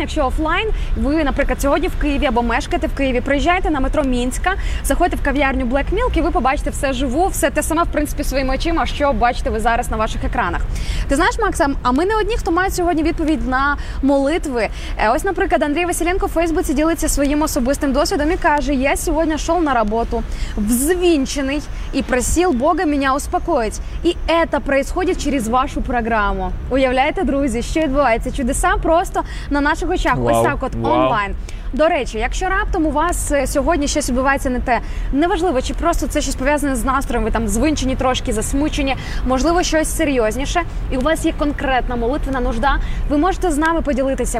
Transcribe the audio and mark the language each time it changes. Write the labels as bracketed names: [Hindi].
[Ukrainian] Якщо офлайн, ви, наприклад, сьогодні в Києві або мешкаєте в Києві, приїжджайте на метро Мінська, заходьте в кав'ярню Black Milk, і ви побачите все живу, все те саме, в принципі, своїми очима, що бачите ви зараз на ваших екранах. Ти знаєш, Максим, а ми не одні, хто має сьогодні відповідь на молитви. Ось, наприклад, Андрій Василенко в Фейсбуці ділиться своїм особистим досвідом і каже: "Я сьогодні йшов на роботу взвінчений і просив Бога [Russian] меня успокоить. И это происходит через вашу программу". [Ukrainian] Уявляєте, друзі, що відбувається? Чудеса просто на наших очах. Wow. Ось так от онлайн. До речі, якщо раптом у вас сьогодні щось відбувається не те, неважливо, чи просто це щось пов'язане з настроєм, ви там звинчені трошки, засмучені, можливо, щось серйозніше, і у вас є конкретна молитвена нужда, ви можете з нами поділитися.